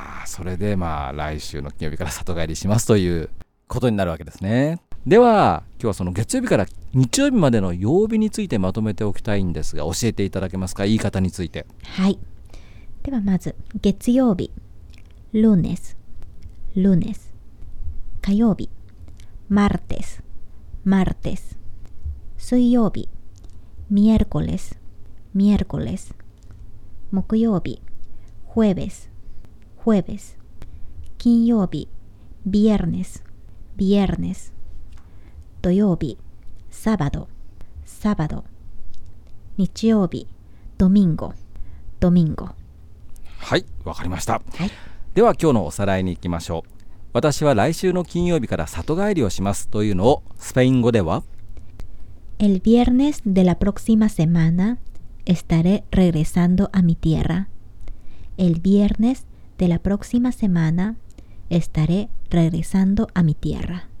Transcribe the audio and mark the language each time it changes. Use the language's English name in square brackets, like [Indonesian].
[Japanese] あ、それでまあ来週の金曜日から里帰りしますということになるわけですね。では今日はその月曜日から日曜日までの曜日についてまとめておきたいんですが、教えていただけますか、言い方について。はい、ではまず月曜日 [Spanish] Lunes, lunes. [Japanese] 火曜日 [Spanish] martes, martes. [Japanese] 水曜日 [Spanish] miércoles, miércoles. [Japanese] 木曜日 [Spanish] jueves, jueves. [Japanese] 金曜日 [Spanish] viernes, viernes. [Japanese] 土曜日 [Spanish] sábado, sábado. [Japanese] 日曜日 [Spanish] domingo, domingo. [Japanese] はい、わかりました。はい、では今日のおさらいに行きましょう。私は来週の金曜日から里帰りをしますというのをスペイン語では [Spanish] El viernes de la próxima semana estaré regresando a mi tierra. El viernes de la próxima semana estaré regresando a mi tierra.